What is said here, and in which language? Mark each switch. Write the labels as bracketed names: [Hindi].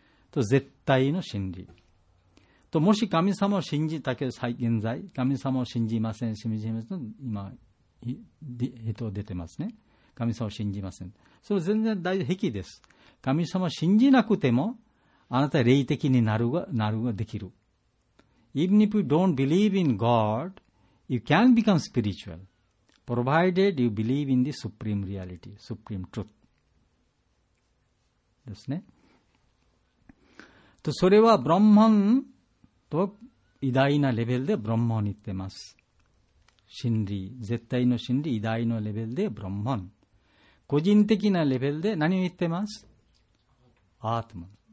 [Japanese] と絶対の真理。ともし神様を信じたけど、現在神様を信じません、信じません、今人出てますね。神様を信じません。それ全然大平気です。神様を信じなくてもあなたは霊的になるが、なるができる。 [English] Even if you don't believe in God, you can become spiritual. Provided you believe in the supreme reality, supreme truth. [Japanese] ですね。とそれはブラッマンと偉大なレベルでブラッマン言ってます。真理、絶対の真理、偉大のレベルでブラッマン。個人的なレベルで何を言ってます？アートマン。